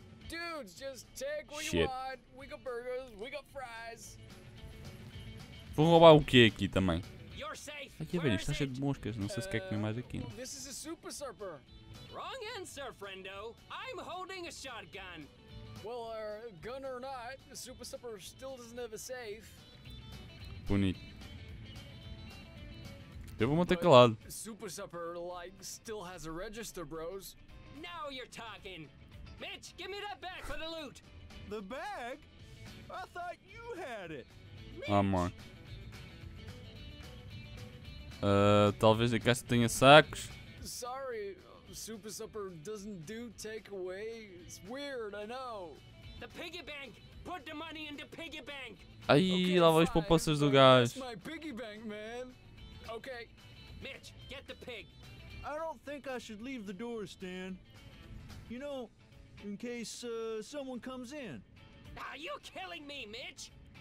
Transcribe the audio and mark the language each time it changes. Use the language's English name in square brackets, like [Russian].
[English] Dudes, just take what you want. We got burgers, we got fries. [Portuguese] Vou roubar o que aqui também? [English] You're safe. [Portuguese] Ai, é velho, está cheio de moscas. Não sei se quer comer mais aqui. Não. [English] This is a super surfer. Wrong answer, friendo. I'm holding a shotgun. Well, gun or not, the Super Supper still doesn't have a safe. [Portuguese] Bonito. Eu vou manter calado. [English] Super Supper, like, still has a register, bros. Now you're talking. Mitch, give me that bag for the loot. The bag? I thought you had it. [Portuguese] Ah, mano. Talvez a caixa tenha sacos. [English] Sorry. Super Supper doesn't do takeaway. It's weird, I know. The piggy bank. Put the money in the piggy bank. [Portuguese] Aí, lá vai as poupanças do gajo. [English] My piggy bank, man. Okay. Mitch, get the pig. I don't think I should leave the door, Stan. You know, in case someone comes in. Are you killing me, Mitch?